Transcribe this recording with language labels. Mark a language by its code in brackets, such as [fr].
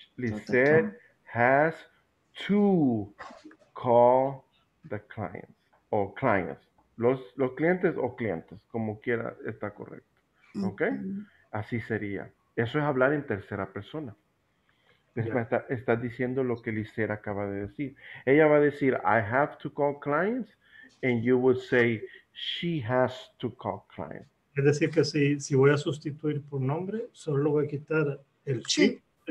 [en] Lisette has to call the clients [es] o clients, los clientes o clientes, como quiera, está correcto. Mm-hmm. Ok, así sería. Eso es hablar en tercera persona. Yeah. Está diciendo lo que Lisette acaba de decir. Ella va a decir, [en] I have to call clients, and you would say, she has to call clients. Es decir, que si voy a sustituir por nombre, solo voy a quitar el she.